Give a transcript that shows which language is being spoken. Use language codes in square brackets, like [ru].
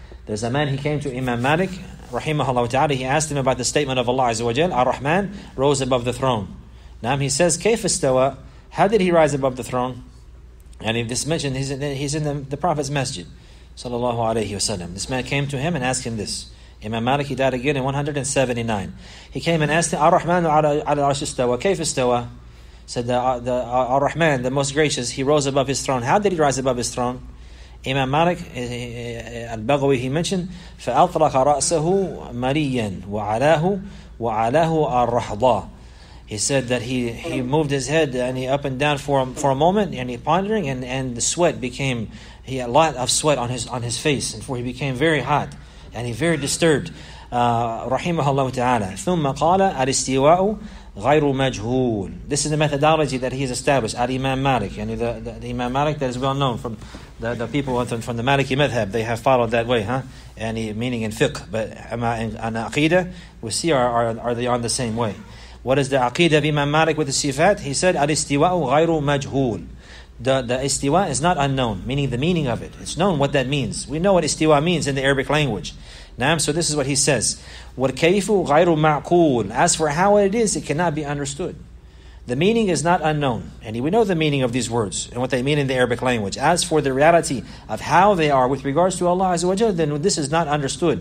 [en] There's a man, he came to Imam Malik, rahimahullah ta'ala, he asked him about the statement of Allah عز وجل, الرحمن rose above the throne. Now he says, [ar] كيف استوى? [en] How did he rise above the throne? And in this mention, he's in the Prophet's masjid, sallallahu alayhi wasallam. This man came to him and asked him this. Imam Malik, he died again in 179. He came and asked him, [ar] الرحمن على العرش استوى, كيف استوى? [en] Said the Ar-Rahman, the most gracious, he rose above his throne. How did he rise above his throne? Imam Malik, Al-Baghawi, he mentioned, [ar] فَأَطْرَقَ رَأْسَهُ مَرِيًّا وَعَلَاهُ الرَّحْضَى. [en] He said that he moved his head and he up and down for a moment and he pondering and the sweat became, he had a lot of sweat on his face and for he became very hot and he very disturbed. [ar] رَحِيمَهَا اللَّهُ تَعَالَى ثُمَّ قَالَ الْإِسْتِوَاءُ غَيْرُ مَجْهُولٍ. [en] This is the methodology that he has established at Imam Malik. And the Imam Malik that is well known from the people from the Maliki Madhab, they have followed that way, huh? And meaning in fiqh. But in aqidah, we see are they on the same way. What is the aqidah of Imam Malik with the sifat? He said, [ar] الْإِسْتِوَاءُ غَيْرُ مَجْهُولٍ. [en] The istiwa is not unknown, meaning the meaning of it. It's known what that means. We know what istiwa means in the Arabic language. Naam, so this is what he says. [ar] وَالْكَيْفُ غَيْرُ مَعْقُولٍ. [en] As for how it is, it cannot be understood. The meaning is not unknown. And we know the meaning of these words and what they mean in the Arabic language. As for the reality of how they are with regards to Allah Azza wa Jalla, then this is not understood.